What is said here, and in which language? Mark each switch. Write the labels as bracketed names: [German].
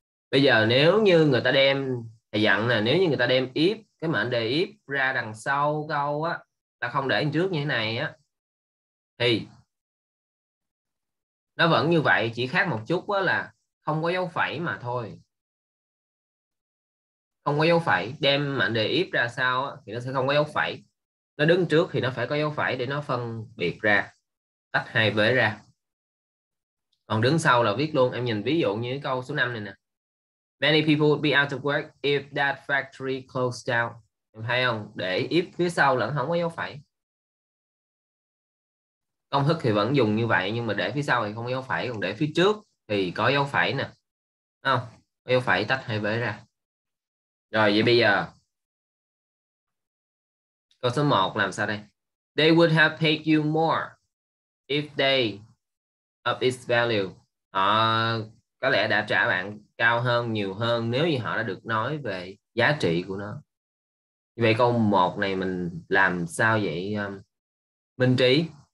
[Vietnamese] Bây giờ nếu như người ta đem, thầy dặn là nếu như người ta đem if, cái mệnh đề if ra đằng sau câu á, ta không để trước như thế này á, thì nó vẫn như vậy, chỉ khác một chút á là không có dấu phẩy mà thôi. Không có dấu phẩy, đem mệnh đề if ra sau á, thì nó sẽ không có dấu phẩy. Nó đứng trước thì nó phải có dấu phẩy để nó phân biệt ra, tách hai vế ra. Còn đứng sau là viết luôn. Em nhìn ví dụ như câu số 5 này nè. [English] Many people would be out of work if that factory closed down. [Vietnamese] Em thấy không? Để if phía sau là nó không có dấu phẩy. Công thức thì vẫn dùng như vậy, nhưng mà để phía sau thì không có dấu phẩy, còn để phía trước thì có dấu phẩy nè. Không? Có dấu phẩy tách hai vế ra. Rồi vậy bây giờ câu số 1 làm sao đây? [English] They would have paid you more if they up its value. [Vietnamese] Họ có lẽ đã trả bạn cao hơn, nhiều hơn nếu như họ đã được nói về giá trị của nó. Vậy câu 1 này mình làm sao vậy Minh Trí?